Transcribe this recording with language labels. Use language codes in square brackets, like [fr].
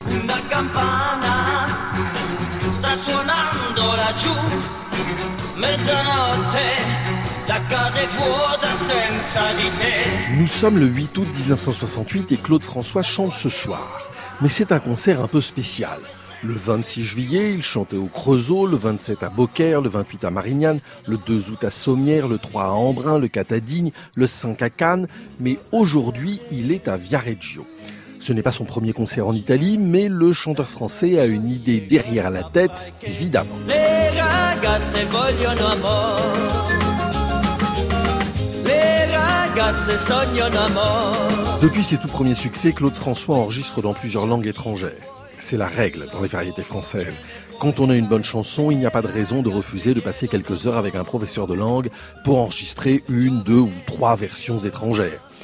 [it] campana, sta suonando laggiù, mezzanotte, la casa è vuota senza di te. [fr] Nous sommes le 8 août 1968 et Claude François chante ce soir. Mais c'est un concert un peu spécial. Le 26 juillet, il chantait au Creusot, le 27 à Beaucaire, le 28 à Marignane, le 2 août à Sommières, le 3 à Embrun, le 4 à Digne, le 5 à Cannes. Mais aujourd'hui, il est à Viareggio. Ce n'est pas son premier concert en Italie, mais le chanteur français a une idée derrière la tête, évidemment. [it] Les ragazze vogliono amor. Les ragazze sognano amor. [fr] Depuis ses tout premiers succès, Claude François enregistre dans plusieurs langues étrangères. C'est la règle dans les variétés françaises. Quand on a une bonne chanson, il n'y a pas de raison de refuser de passer quelques heures avec un professeur de langue pour enregistrer une, deux ou trois versions étrangères.